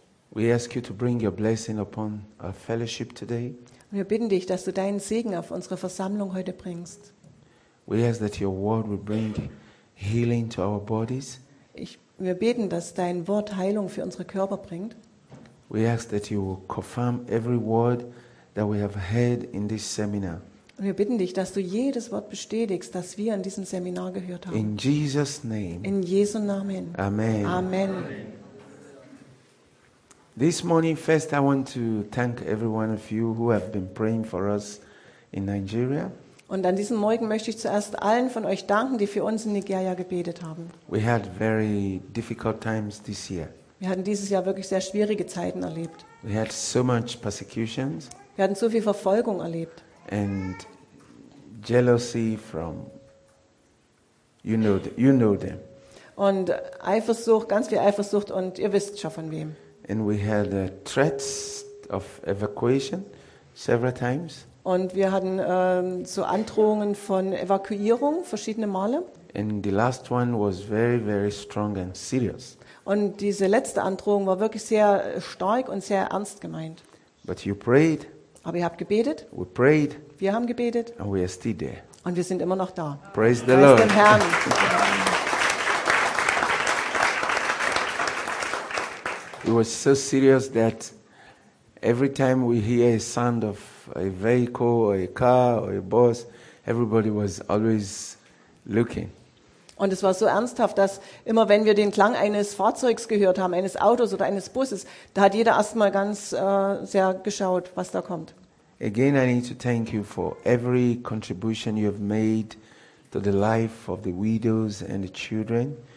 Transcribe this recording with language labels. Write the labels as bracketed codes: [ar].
[en] We ask you to bring your blessing upon our fellowship today. [de] Wir bitten dich, dass du deinen Segen auf unsere Versammlung heute bringst. [en] We ask that your word will bring healing to our bodies. [de] Wir beten, dass dein Wort Heilung für unsere Körper bringt. [en] We ask that you will confirm every word that we have heard in this seminar. [de] Wir bitten dich, dass du jedes Wort bestätigst, das wir in diesem Seminar gehört haben. [en] In Jesus name. [de] In Jesu Namen. [en] Amen. [de] Amen. [en] This morning first I want to thank everyone of you who have been praying for us in Nigeria. [de] Und an diesem Morgen möchte ich zuerst allen von euch danken, die für uns in Nigeria gebetet haben. [en] We had very difficult times this year. [de] Wir hatten dieses Jahr wirklich sehr schwierige Zeiten erlebt. [en] We had so much persecutions. [de] Wir hatten so viel Verfolgung erlebt. [en] And jealousy from, you know them. [de] Und Eifersucht, ganz viel Eifersucht und ihr wisst schon von wem. [en] And we had threats of evacuation several times. [de] Und wir hatten so Androhungen von Evakuierung verschiedene Male. [en] And the last one was very, very strong and serious. [de] Und diese letzte Androhung war wirklich sehr stark und sehr ernst gemeint. [en] But you prayed. [de] Aber ihr habt gebetet. [en] We prayed. [de] Wir haben gebetet. [en] And we are still there. [de] Und wir sind immer noch da. [en] Praise the Lord. [de] Dem Herrn. [en] We were so serious that every time we hear a sound of a vehicle or a car or a bus, everybody was always looking. [de] Und es war so ernsthaft, dass immer wenn wir den Klang eines Fahrzeugs gehört haben, eines Autos oder eines Busses, da hat jeder erstmal ganz sehr geschaut, was da kommt. [en] Again, I need to thank you for every contribution you have made to the life of the widows and the children.